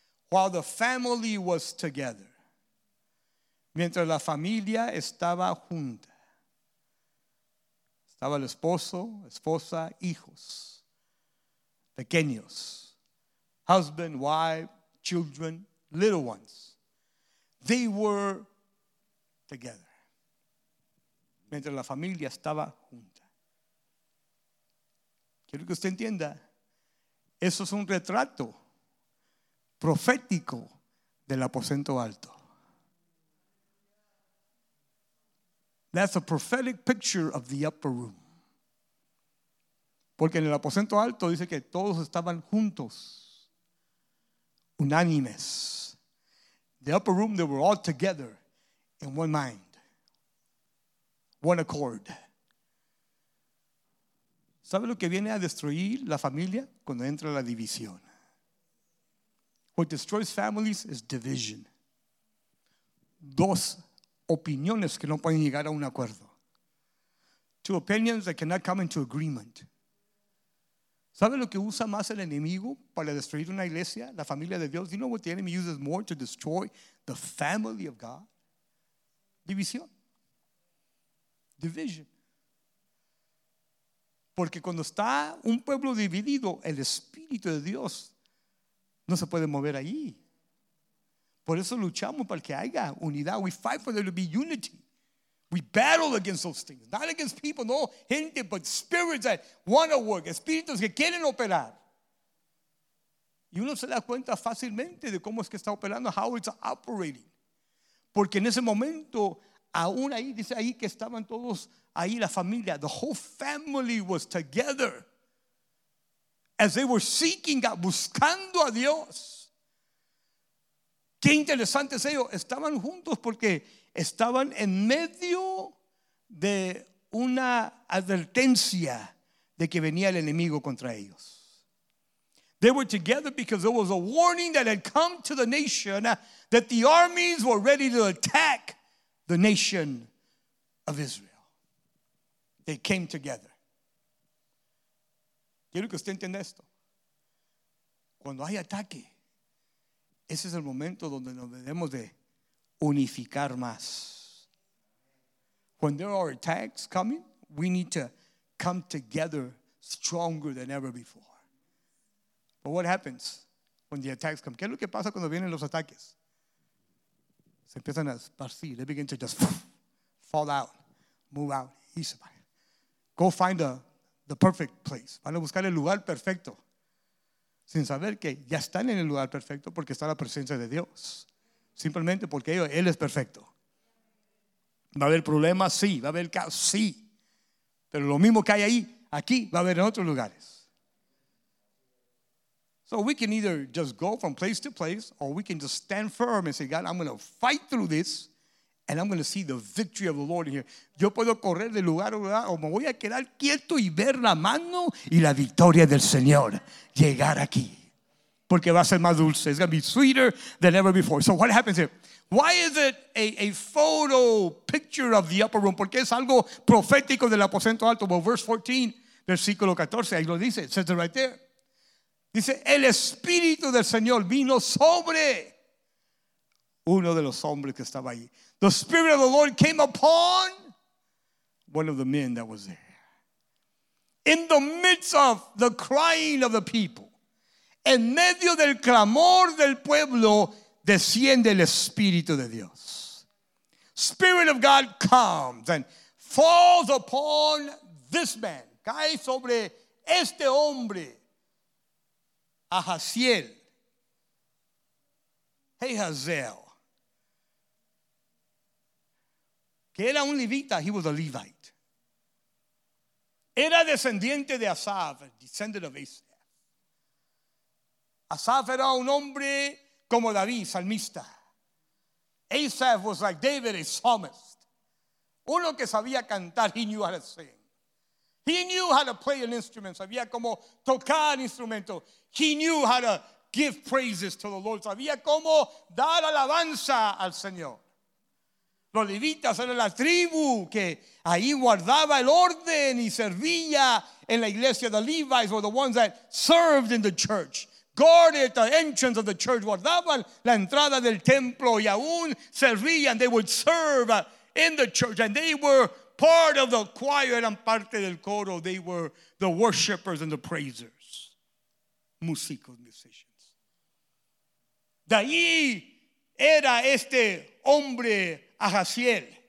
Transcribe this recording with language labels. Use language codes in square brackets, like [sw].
[en] While the family was together, [es] mientras la familia estaba junta, estaba el esposo, esposa, hijos, pequeños, [en] husband, wife, children, little ones, they were together. [es] Mientras la familia estaba junta. Quiero que usted entienda, eso es un retrato profético del aposento alto. [en] That's a prophetic picture of the upper room. [es] Porque en el aposento alto dice que todos estaban juntos, unánimes. [en] The upper room, they were all together in one mind, one accord. [es] ¿Sabe lo que viene a destruir la familia? Cuando entra la división. [en] What destroys families is division. [es] Dos opiniones que no pueden llegar a un acuerdo. [en] Two opinions that cannot come into agreement. [es] ¿Sabe lo que usa más el enemigo para destruir una iglesia, la familia de Dios? [en] You know what the enemy uses more to destroy the family of God? [es] División. [en] Division. [es] Porque cuando está un pueblo dividido, el Espíritu de Dios no se puede mover ahí. Por eso luchamos para que haya unidad. [en] We fight for there to be unity. We battle against those things. Not against people, [es] no gente, [en] but spirits that want to work. [es] Espíritus que quieren operar. Y uno se da cuenta fácilmente de cómo es que está operando, [en] how it's operating. [es] Porque en ese momento, aún ahí, dice ahí que estaban todos ahí, la familia. [en] The whole family was together. As they were seeking God, [es] buscando a Dios. Qué interesante es ello. Estaban juntos porque estaban en medio de una advertencia de que venía el enemigo contra ellos. [en] They were together because there was a warning that had come to the nation that the armies were ready to attack the nation of Israel. They came together. [es] Quiero que usted entienda esto. Cuando hay ataque, ese es el momento donde nos debemos de unificar más. [en] When there are attacks coming, we need to come together stronger than ever before. But what happens when the attacks come? [es] ¿Qué es lo que pasa cuando vienen los ataques? Se empiezan a esparcir. [en] They begin to just fall out, move out. Go find the perfect place. [es] Van a buscar el lugar perfecto. Sin saber que ya están en el lugar perfecto porque está la presencia de Dios. Simplemente porque Él es perfecto. ¿Va a haber problemas? Sí. ¿Va a haber caos? Sí. Pero lo mismo que hay ahí, aquí va a haber en otros lugares. [en] So we can either just go from place to place or we can just stand firm and say, God, I'm going to fight through this and I'm going to see the victory of the Lord in here. [es] Yo puedo correr de lugar a lugar o me voy a quedar quieto y ver la mano y la victoria del Señor llegar aquí. Porque va a ser más dulce. [en] It's going to be sweeter than ever before. So what happens here? Why is it a photo picture of the upper room? [es] Porque es algo profético del aposento alto. [en] Well, verse 14, [es] versículo 14, ahí lo dice. [en] It says it right there. [es] Dice, el Espíritu del Señor vino sobre uno de los hombres que estaba ahí. [en] The Spirit of the Lord came upon one of the men that was there. In the midst of the crying of the people, [es] en medio del clamor del pueblo, desciende el Espíritu de Dios. [en] Spirit of God comes and falls upon this man. [es] Cae sobre este hombre, Ahaziel. [en] Hey, Hazel. [es] Que era un levita, [en] he was a Levite. [es] Era descendiente de Asaf, [en] descendant of Asaf. [es] Asaf era un hombre como David, salmista. [en] Asaf was like David, a psalmist. [es] Uno que sabía cantar, [en] he knew how to sing. He knew how to play an instrument. [es] Sabía cómo tocar instrumento. [en] He knew how to give praises to the Lord. [es] Sabía cómo dar alabanza al Señor. Los levitas eran la tribu que ahí guardaba el orden y servía en la iglesia. [en] The Levites were the ones that served in the church. Guarded the entrance of the church. [es] Guardaban la entrada del templo y aún servían. [en] They would serve in the church and they were part of the choir, [es] eran parte del coro. [en] They were the worshipers and the praisers. [es] Musicos, [en] musicians. [es] De ahí era este hombre, Ahaziel.